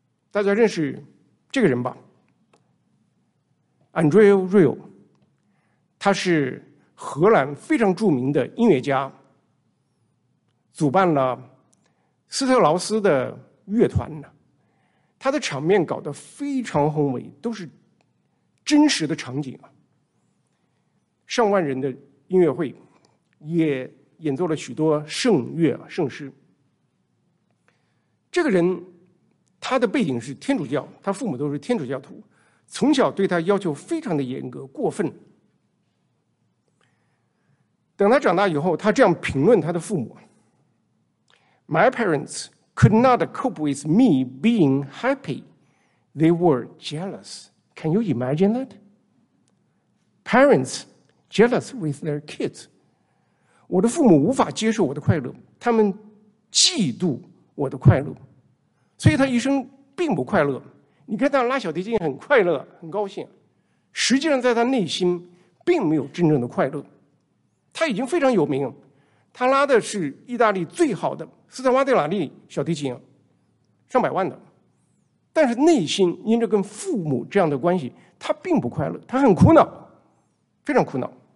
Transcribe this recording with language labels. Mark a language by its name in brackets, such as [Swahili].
[Chinese] 大家认识这个人吧， Andrew Rio， 他是荷兰非常著名的音乐家，主办了斯特劳斯的乐团，他的场面搞得非常宏伟，都是真实的场景，上万人的音乐会，也演奏了许多圣乐圣诗。这个人他的背景是天主教，他父母都是天主教徒，从小对他要求非常的严格过分。等他长大以后，他这样评论他的父母， [English] My parents could not cope with me being happy. They were jealous. Can you imagine that? Parents jealous with their kids. [Chinese] 我的父母无法接受我的快乐，他们嫉妒我的快乐，所以他一生并不快乐。你看他拉小提琴很快乐很高兴，实际上在他内心并没有真正的快乐。他已经非常有名，他拉的是意大利最好的斯特拉迪瓦利小提琴，上百万的，但是内心因着跟父母这样的关系他并不快乐，他很苦恼，非常苦恼。